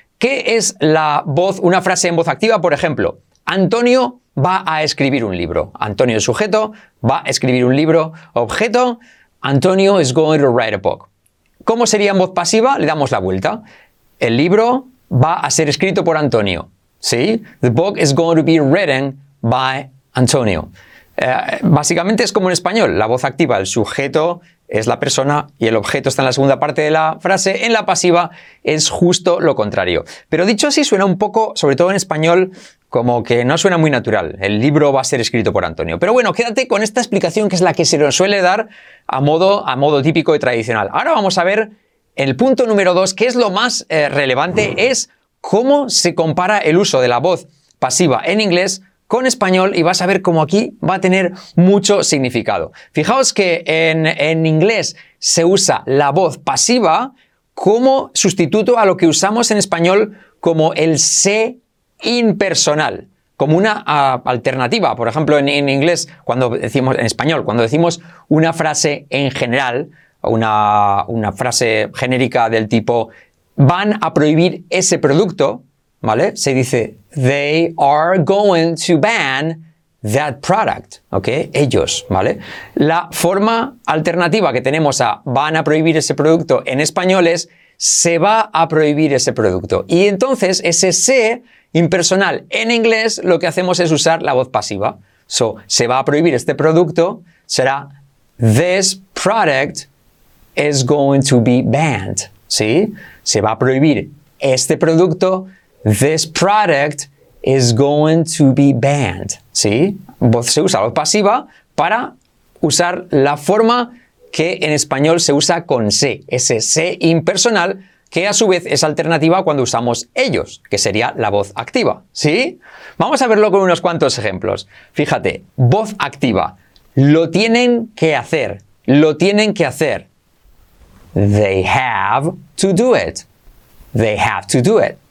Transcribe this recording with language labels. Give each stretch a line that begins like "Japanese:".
Spanish: ¿Qué es la voz, una frase en voz activa? Por ejemplo, Antonio va a escribir un libro. Antonio es sujeto, va a escribir un libro. Objeto,
English: Antonio is going to write a book.
Spanish: ¿Cómo sería en voz pasiva? Le damos la vuelta. El libro va a ser escrito por Antonio. ¿Sí?
English: The book is going to be written by Antonio.
Spanish: Básicamente es como en español, la voz activa, el sujeto es la persona y el objeto está en la segunda parte de la frase. En la pasiva es justo lo contrario. Pero dicho así, suena un poco, sobre todo en español, como que no suena muy natural. El libro va a ser escrito por Antonio. Pero bueno, quédate con esta explicación que es la que se nos suele dar a modo típico y tradicional. Ahora vamos a ver el punto número 2, que es lo más relevante, es cómo se compara el uso de la voz pasiva en inglés con español, y vas a ver cómo aquí va a tener mucho significado. Fijaos que en inglés se usa la voz pasiva como sustituto a lo que usamos en español como el se impersonal, como una alternativa. Por ejemplo, en inglés, cuando decimos, en español, cuando decimos una frase en general, una frase genérica del tipo van a prohibir ese producto, ¿vale? Se dice,
English: they are going to ban that product, ¿ok?
Spanish: Ellos, ¿vale? La forma alternativa que tenemos a van a prohibir ese producto en español es se va a prohibir ese producto. Y entonces, ese se impersonal en inglés, lo que hacemos es usar la voz pasiva.
English: So,
Spanish: se va a prohibir este producto, será
English: this product is going to be banned, ¿sí?
Spanish: Se va a prohibir este producto.
English: This product is going to be banned, ¿sí?
Spanish: Se usa la voz pasiva para usar la forma que en español se usa con se, ese se impersonal, que a su vez es alternativa cuando usamos ellos, que sería la voz activa, ¿sí? Vamos a verlo con unos cuantos ejemplos. Fíjate, voz activa, lo tienen que hacer, lo tienen que hacer.
English: They have to do it, they have to do it.